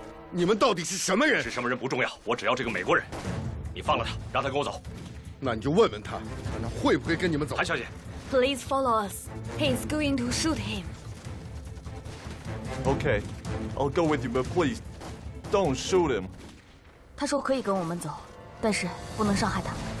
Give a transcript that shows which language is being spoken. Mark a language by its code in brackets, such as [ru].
[zh] 你们到底是什么人？是什么人不重要，我只要这个美国人。你放了他，让他跟我走。那你就问问他，看他会不会跟你们走。韩小姐 [en] ，Please follow us. He is going to shoot him. Okay, I'll go with you, but please, don't shoot him. [zh] 他说可以跟我们走，但是不能伤害他。